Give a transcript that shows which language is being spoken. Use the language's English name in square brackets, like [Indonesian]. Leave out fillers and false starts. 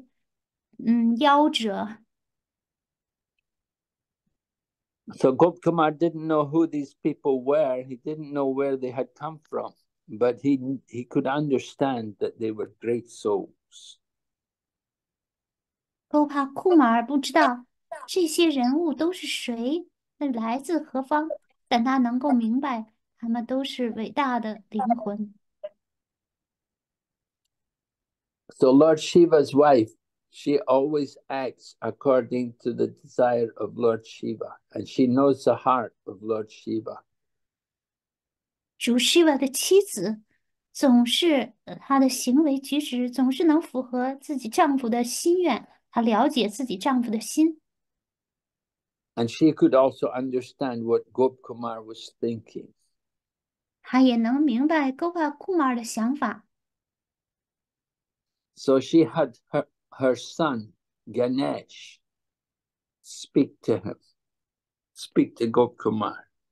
[Chinese] 只有急着这些来自百昆特的美妙人物的仁慈，他才不至于夭折。 [English] So Gop Kumar didn't know who these people were. He didn't know where they had come from, but he could understand that they were great souls. [Chinese] Gopa Kumar 不知道这些人物都是谁，来自何方，但他能够明白他们都是伟大的灵魂。 [English] So Lord Shiva's wife, she always acts according to the desire of Lord Shiva, and she knows the heart of Lord Shiva. [Chinese] 主 Shiva 的妻子总是，她的行为举止总是能符合自己丈夫的心愿。她了解自己丈夫的心。 [English] And she could also understand what Gop Kumar was thinking. [Chinese] 她也能明白 Gopa Kumar 的想法。 [English] So she had her son Ganesh speak to Gop Kumar.